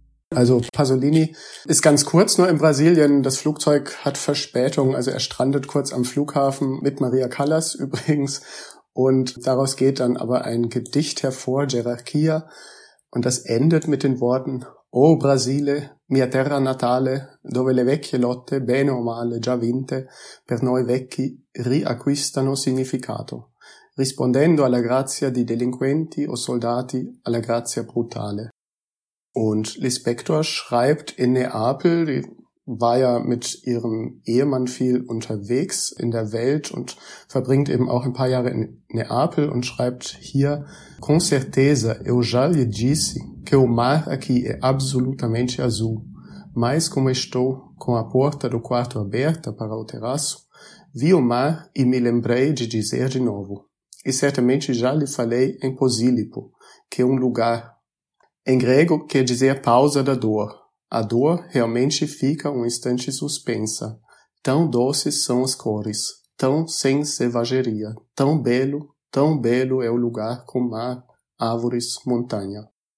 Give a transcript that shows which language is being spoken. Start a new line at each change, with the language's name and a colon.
German: Also Pasolini ist ganz kurz nur in Brasilien. Das Flugzeug hat Verspätung, also er strandet kurz am Flughafen mit Maria Callas übrigens. Und daraus geht dann aber ein Gedicht hervor, Gerarchia. Und das endet mit den Worten:
Italian: O Brasile, mia terra natale, dove le vecchie lotte, bene o male, già vinte, per noi vecchi, riacquistano significato, rispondendo alla grazia di delinquenti o soldati, alla grazia brutale.
German: Und Lispector schreibt in Neapel, die war ja mit ihrem Ehemann viel unterwegs in der Welt und verbringt eben auch ein paar Jahre in Neapel und schreibt hier:
Portuguese: Com certeza eu já lhe disse que o mar aqui é absolutamente azul, mas como estou com a porta do quarto aberta para o terraço, vi o mar e me lembrei de dizer de novo. E certamente já lhe falei em Posílipo, que é um lugar. Em grego quer dizer pausa da dor. A dor realmente fica um instante suspensa. Tão doces são as cores, tão sem selvageria. Tão belo é o lugar com mar, árvores, montanha.